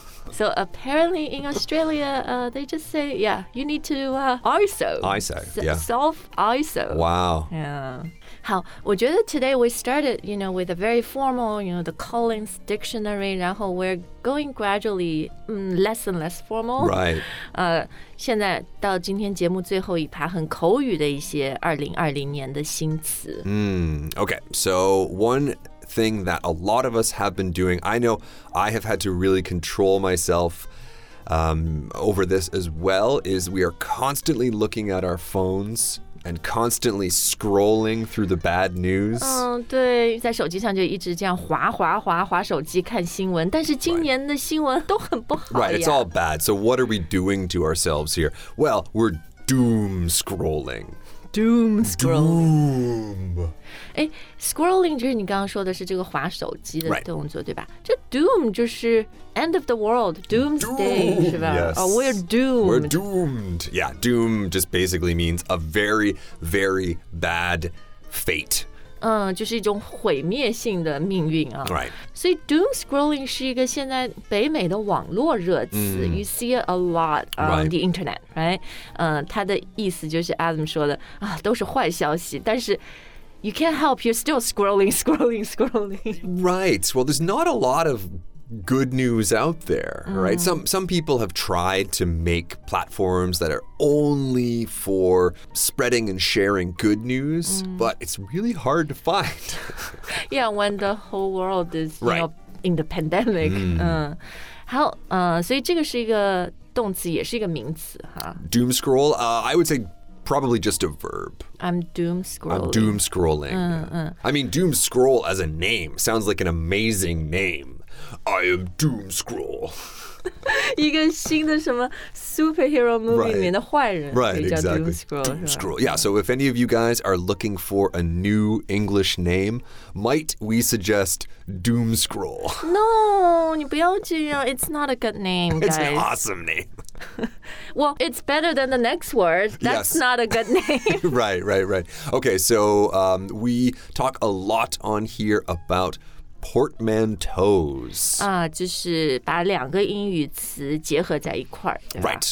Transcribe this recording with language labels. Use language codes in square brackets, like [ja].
[en] So apparently in Australia, they just say, yeah, you need to iso. Iso. Yeah. Self iso. Wow. Yeah. [zh] 好，我觉得 [en] today we started, you know, with a very formal, you know, the Collins Dictionary. [zh] 然后 [en] we're going gradually, less and less formal. Right. [zh] 现在到今天节目最后一趴，很口语的一些2020年的新词。 [en] Okay, so one thing that a lot of us have been doing, I know I have had to really control myself, over this as well, is we are constantly looking at our phones and constantly scrolling through the bad news. [zh] 对，在手机上就一直这样滑滑滑滑手机看新闻，但是今年的新闻都很不好呀。 [en] Right, it's all bad. So what are we doing to ourselves here? Well, we're doom scrolling. Doom scrolling. [zh] Doom. 诶 scrolling 就是你刚刚说的是这个滑手机的动作、 [en] right. [zh] 对吧这 [en] doom 就是 end of the world, doomsday, doom, [zh] 是吧、 [en] yes. Oh, we're doomed. We're doomed. Yeah, doom just basically means a very, very bad fate. [zh] 就是一种毁灭性的命运啊。 [en] Right. [zh] 所以 doom scrolling 是一个现在北美的网络热词。 [en] You see it a lot on the internet, right? [zh] 它的意思就是 Adam 说的啊，都是坏消息，但是。 [en] You can't help, you're still scrolling, scrolling, scrolling. Right. Well, there's not a lot of good news out there, right? Some people have tried to make platforms that are only for spreading and sharing good news, but it's really hard to find. Yeah, when the whole world is, you know, in the pandemic. [zh] So 这个是一个动词，也是一个名词哈。 [en] Doom scroll, I would say... Probably just a verb. I'm doom scrolling. I'm doom scrolling. I mean, doom scroll as a name sounds like an amazing name. I am doom scroll. [zh] 一个新的什么 superhero movie 里面的坏人 [en] Right, exactly. Doom scroll. Yeah, so if any of you guys are looking for a new English name, might we suggest doom scroll? No, [zh] 你不要这样 [en] It's not a good name, guys. It's an awesome name. Well, it's better than the next word. That's not a good name. right. Okay, so we talk a lot on here about portmanteaus. [zh] 就是把两个英语词结合在一块儿，对吧？